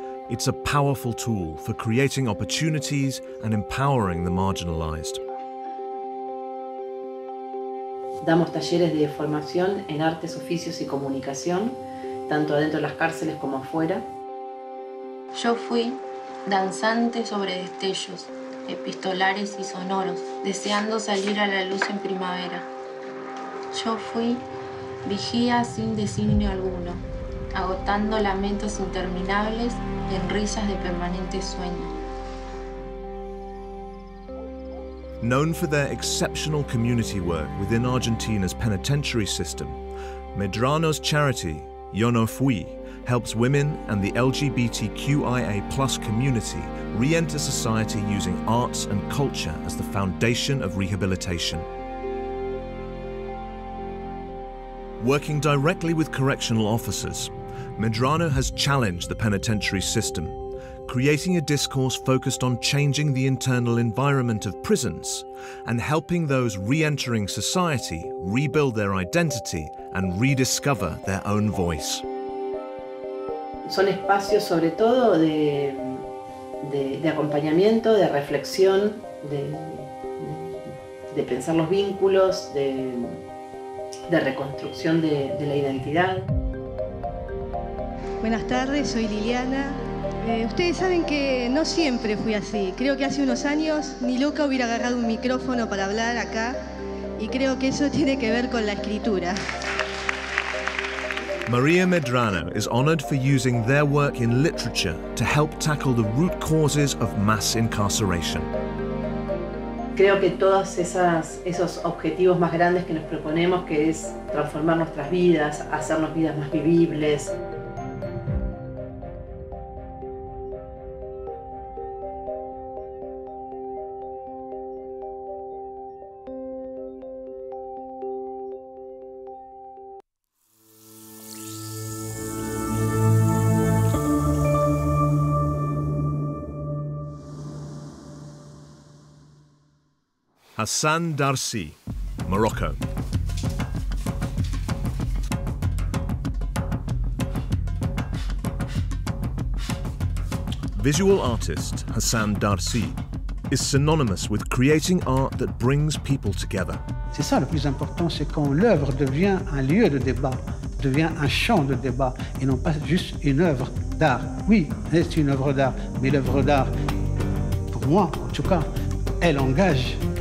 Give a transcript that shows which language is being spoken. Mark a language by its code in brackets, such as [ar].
[en] It's a powerful tool for creating opportunities and empowering the marginalized. [es] Damos talleres de formación en artes, oficios y comunicación, tanto adentro de las cárceles como afuera. Yo fui danzante sobre destellos, epistolares y sonoros, deseando salir a la luz en primavera. Yo fui vigía sin designio alguno, agotando lamentos interminables en risas de permanente sueño. [en] Known for their exceptional community work within Argentina's penitentiary system, Medrano's charity, Yo No Fui, helps women and the LGBTQIA+ community re-enter society using arts and culture as the foundation of rehabilitation. Working directly with correctional officers, Medrano has challenged the penitentiary system, creating a discourse focused on changing the internal environment of prisons and helping those re-entering society rebuild their identity and rediscover their own voice. [es] Son espacios sobre todo de acompañamiento, de reflexión, de pensar los vínculos, de reconstrucción de la identidad. Buenas tardes, soy Liliana. Ustedes saben que no siempre fui así. Creo que hace unos años ni loca hubiera agarrado un micrófono para hablar acá y creo que eso tiene que ver con la escritura. [en] Maria Medrano is honored for using their work in literature to help tackle the root causes of mass incarceration. [es] Creo que todos esos objetivos más grandes que nos proponemos, que es transformar nuestras vidas, hacernos vidas más vivibles. [en] Hassan Darcy, Morocco. Visual artist Hassan Darcy is synonymous with creating art that brings people together. [fr] C'est ça le plus important, c'est quand l'œuvre devient un lieu de débat, devient un champ de débat, et non pas juste une œuvre d'art. Oui, c'est une œuvre d'art, mais l'œuvre d'art, pour moi, en tout cas, elle engage.